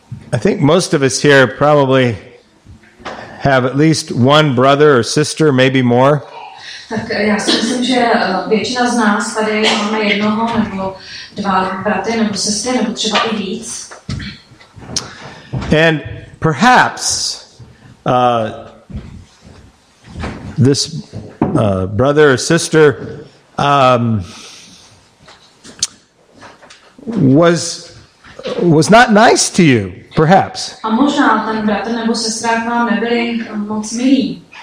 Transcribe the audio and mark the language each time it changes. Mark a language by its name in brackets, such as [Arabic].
[English] I think most of us here probably have at least one brother or sister, maybe more. [Czech] Tak já si myslím, že většina z nás tady máme jednoho nebo dva bratry nebo sestry nebo třeba i víc. [English] And perhaps this brother or sister was not nice to you, perhaps. [Czech] A možná ten bratr nebo sestra k vám nebyli moc milí.